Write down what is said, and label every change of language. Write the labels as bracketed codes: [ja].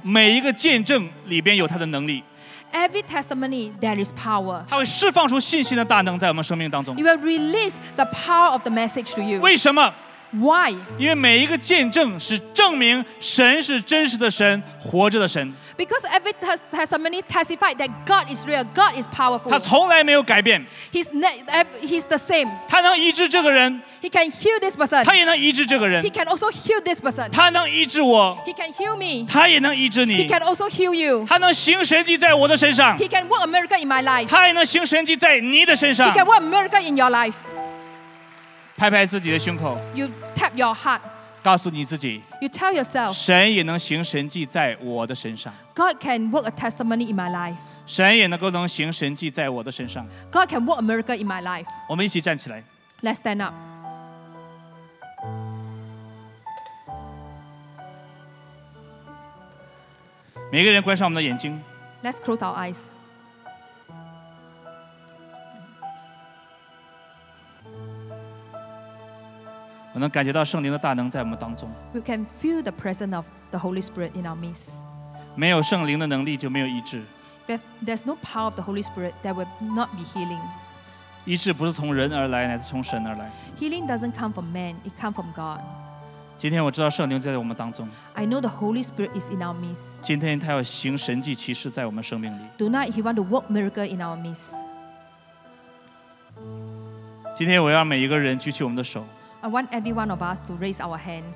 [zh] 每一个见证里边有他的能力。 [en] Every testimony, there is power. [zh] 它会释放出信心的大能在我们生命当中。 [en] It will release the power of the message to you. [zh] 为什么 [en] ？Why? [zh] 因为每一个见证是证明神是真实的神，活着的神。 [en] Because every testimony testifies that God is real, God is powerful. [zh] 他从来没有改变。 [en] He's the same. [zh] 他能医治这个人。 [en] He can heal this person. [zh] 他也能医治这个人。 [en] He can also heal this person. [zh] 他能医治我。 [en] He can heal me. [zh] 他也能医治你。 [en] He can also heal you. [zh] 他能行神迹在我的身上。 [en] He can work a miracle in my life. [zh] 他也能行神迹在你的身上。 [en] He can work a miracle in your life. [zh] 拍拍自己的胸口。 [en] You tap your heart. [zh] 告诉你自己 [en] you tell yourself, [zh] 神也能行神迹在我的身上 [en] God can work a testimony in my life [zh] 神也能够能行神迹在我的身上 [en] God can work a miracle in my life [zh] 我们一起站起来 [en] Let's stand up [zh] 每个人关上我们的眼睛 [en] Let's close our eyes [zh] 我能感觉到圣灵的大能在我们当中。 [en] We can feel the presence of the Holy Spirit in our midst. [zh] 没有圣灵的能力就没有医治。 [en] If there's no power of the Holy Spirit, there will not be healing. [zh] 医治不是从人而来，乃是从神而来。 [en] Healing doesn't come from man, it comes from God. [zh] 今天我知道圣灵在我们当中。 [en] I know the Holy Spirit is in our midst. [zh] 今天他要行神迹奇事在我们生命里。 [en] Tonight he wants to work miracle in our midst. [zh] 今天我要每一个人举起我们的手。 [en] I want every one of us to raise our hands.